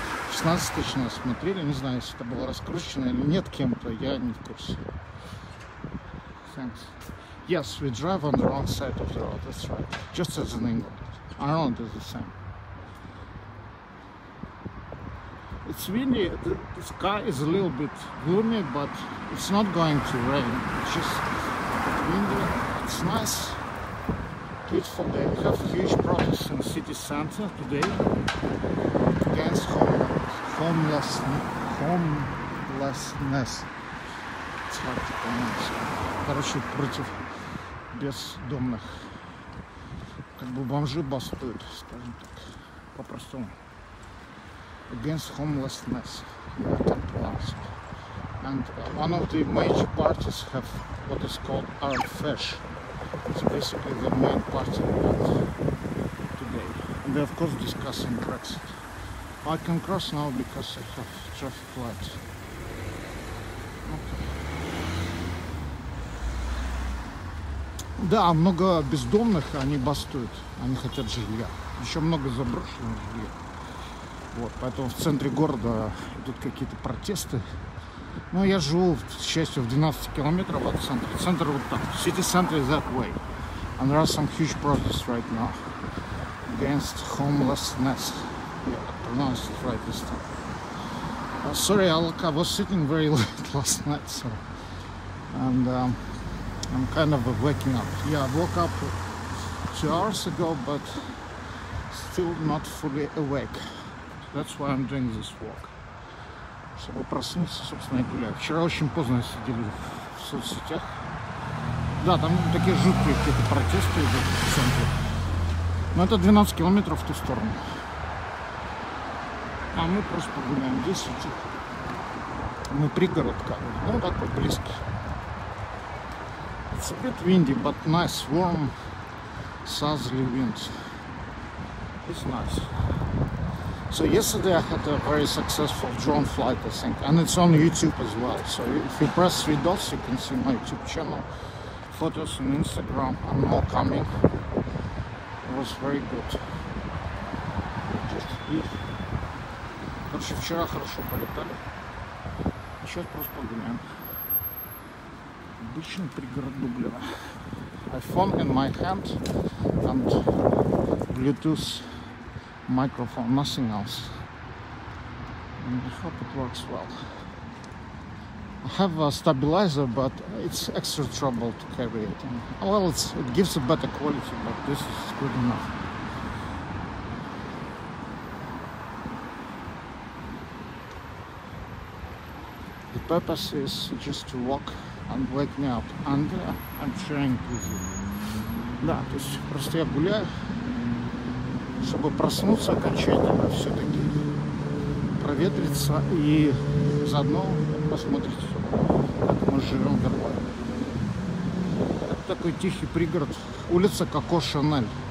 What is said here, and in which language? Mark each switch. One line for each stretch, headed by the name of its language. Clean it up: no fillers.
Russian: 16 тысяч нас смотрели, не знаю, если это было раскручено или нет кем-то, я не в курсе.
English: Thanks. Yes, we drive on the wrong side of the road, that's right. Just as in England. Ireland is the same. It's windy, the sky is a little bit gloomy, but it's not going to rain. It's just a bit windy. It's nice, beautiful day. We have a huge protest in the city center today against homelessness. It's hard to pronounce.
Russian: Короче, против бездомных. Как бы бомжи бастуют, скажем так, по-простому.
English: Against homelessness, yeah, I can't pronounce it. And one of the major parties have what is called Arab Fesh. It's basically the main party today. And they're of course discussing Brexit. I can cross now because I have traffic lights.
Russian: Да, много бездомных, они бастуют, они хотят жилья. Еще много заброшенных жилья. Вот, поэтому в центре города идут какие-то протесты. Ну, я живу, к счастью, в 12 километров от центра. Центр вот так.
English: City center is that way. And there are some huge protests right now against homelessness. Yeah, I pronounced it right this time. Sorry, Alka, I was sitting very late last night, so... And, I'm kind of waking up. Yeah, I woke up 2 hours ago, but still not fully awake. That's why I'm doing this walk.
Russian: Чтобы проснуться, собственно, и гулять. Вчера очень поздно сидели в соцсетях. Да, там такие жуткие какие-то протесты идут в центре. Но это 12 километров в ту сторону. А мы просто погуляем 10. Мы пригород, как бы. Ну, так вот, близко.
English: It's a bit windy, but nice, warm, southerly winds. It's nice. So yesterday I had a very successful drone flight, I think. And it's on YouTube as well. So if you press 3 dots, you can see my YouTube channel. Photos on Instagram and more coming. was very good. Just here.
Russian: Короче, вчера хорошо полетали. Сейчас просто погуляем. Обычно пригороду, блин.
English: I phone in my hand and Bluetooth microphone, nothing else. And I hope it works well. I have a stabilizer, but it's extra trouble to carry it. And, well, it gives a better quality, but this is good enough. The purpose is just to walk and wake me up, and I'm sharing with you.
Russian: Да, то есть просто я гуляю, чтобы проснуться окончательно, все-таки проветриться и заодно посмотреть, как мы живем в Ирландии. Это такой тихий пригород, улица Коко Шанель.